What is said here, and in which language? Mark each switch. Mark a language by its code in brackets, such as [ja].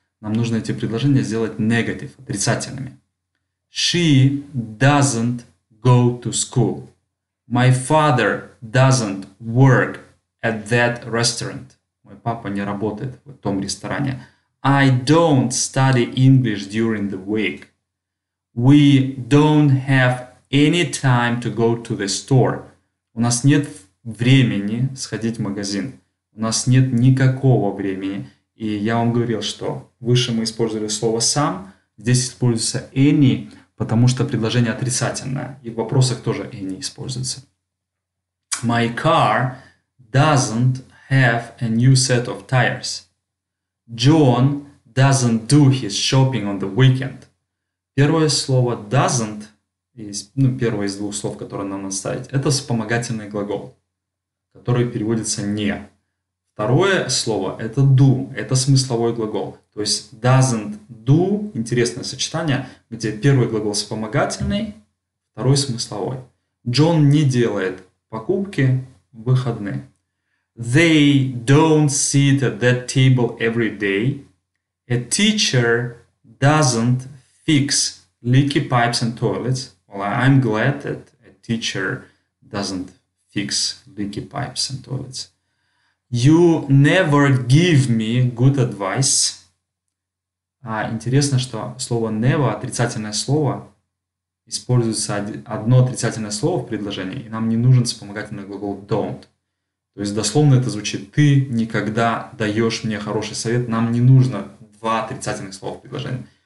[ru] Нам нужно эти предложения сделать negative, отрицательными. [en] She doesn't go to school. My father doesn't work at that restaurant. [ru] Мой папа не работает в том ресторане. [en] I don't study English during the week. We don't have any time to go to the store. [ru] У нас нет времени сходить в магазин. У нас нет никакого времени. И я вам говорил, что выше мы использовали слово «сам», здесь используется «any», потому что предложение отрицательное. И в вопросах тоже «any» используется. [en] My car doesn't have a new set of tires. John doesn't do his shopping on the weekend. [ru] Первое слово «doesn't», первое из двух слов, которое нам надо ставить, это вспомогательный глагол, который переводится «не». Второе слово – это do, это смысловой глагол. То есть [en] doesn't do [ru] – интересное сочетание, где первый глагол вспомогательный, второй – смысловой. John не делает покупки в выходные. [en] They don't sit at that table every day. A teacher doesn't fix leaky pipes and toilets. Well, I'm glad that a teacher doesn't fix leaky pipes and toilets. You never give me good advice. [ru] Интересно, что слово never, отрицательное слово, используется одно отрицательное слово в предложении, и нам не нужен вспомогательный глагол don't. То есть дословно это звучит: ты никогда даешь мне хороший совет, нам не нужно два отрицательных слова в предложении.